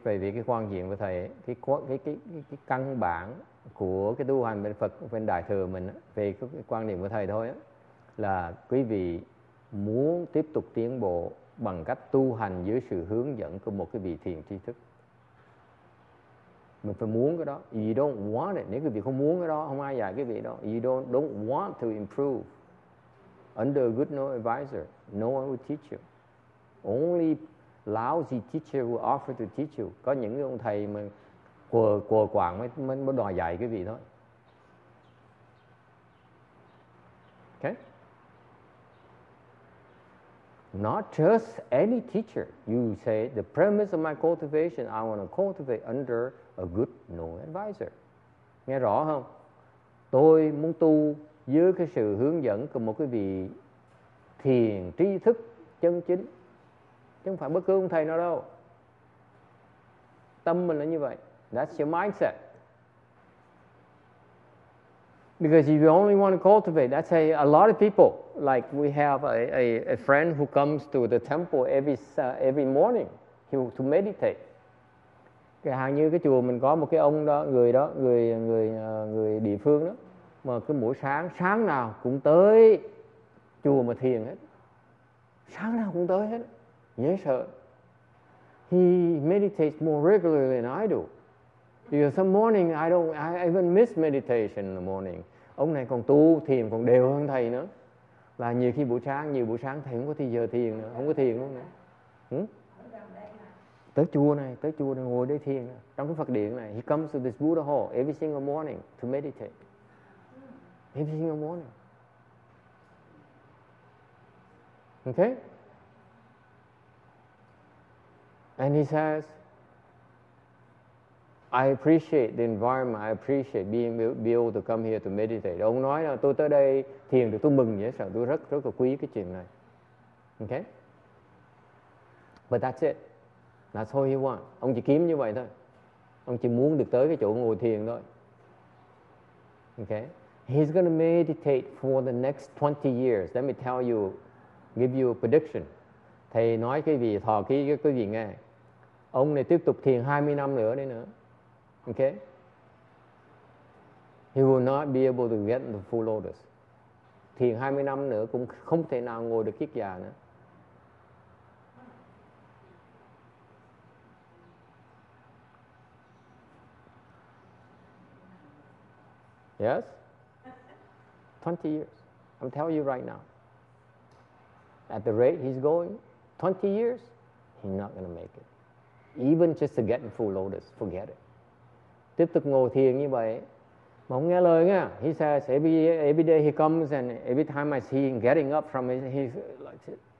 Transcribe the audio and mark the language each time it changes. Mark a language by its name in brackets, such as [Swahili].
[Vietnamese] Bởi vì cái quan diện của thầy, cái căn bản của cái tu hành bên Phật bên đại thừa mình á, về cái quan điểm của thầy thôi á, là quý vị muốn tiếp tục tiến bộ bằng cách tu hành dưới sự hướng dẫn của một cái vị thiền tri thức. Mình phải muốn cái đó. [English] You don't want it. [Vietnamese] Nếu quý vị không muốn cái đó, không ai dạy quý vị đó. [English] You don't want to improve under a good no advisor. No one will teach you. Only lousy teacher will offer to teach you. [Vietnamese] Có những ông thầy mà quờ quạng mới đòi dạy quý vị thôi. [English] Okay? Not just any teacher. You say, the premise of my cultivation, I want to cultivate under a good knowing advisor. [Vietnamese] Nghe rõ không? Tôi muốn tu dưới cái sự hướng dẫn của một cái vị thiền tri thức chân chính, chứ không phải bất cứ ông thầy nào đâu. Tâm mình là như vậy. [English] That's your mindset. Because if you only want to cultivate, that's a lot of people. Like we have a friend who comes to the temple every morning to meditate. [Vietnamese] Cái hàng như cái chùa mình có một cái ông đó, người địa phương đó, mà cứ mỗi sáng, sáng nào cũng tới chùa mà thiền hết. Sáng nào cũng tới hết, dễ sợ. [English] He meditates more regularly than I do. Because some morning I even miss meditation in the morning. [Vietnamese] Ông này còn tu thiền còn đều hơn thầy nữa. Là nhiều khi buổi sáng, thầy không có thì giờ thiền nữa, không có thiền luôn nữa. Tới chùa này, ngồi đây thiền nữa. Trong cái Phật điện này, [English] he comes to this Buddha hall every single morning to meditate. Every single morning. Okay? And he says, I appreciate the environment, I appreciate being able to come here to meditate. [Vietnamese] Ông nói là tôi tới đây thiền được, tôi mừng dễ sợ, tôi rất rất là quý cái chuyện này. Okay? [English] But that's it. That's all he wants. [Vietnamese] Ông chỉ kiếm như vậy thôi. Ông chỉ muốn được tới cái chỗ ngồi thiền thôi. [English] Okay? He's going to meditate for the next 20 years. Let me tell you, give you a prediction. [Vietnamese] Thầy nói cái gì, thọ ký cái quý vị nghe. Ông này tiếp tục thiền 20 năm nữa đấy nữa. [English] Okay? He will not be able to get the full lotus. [Vietnamese] Thiền 20 năm nữa cũng không thể nào ngồi được kiết già nữa. [English] Yes? 20 years. I'm telling you right now. At the rate he's going, 20 years, he's not going to make it. Even just to get in full lotus, forget it. [Vietnamese] Tiếp tục ngồi thiền như vậy, mà không nghe lời nghe. [English] He says, every day he comes and every time I see him getting up from his, he's like this.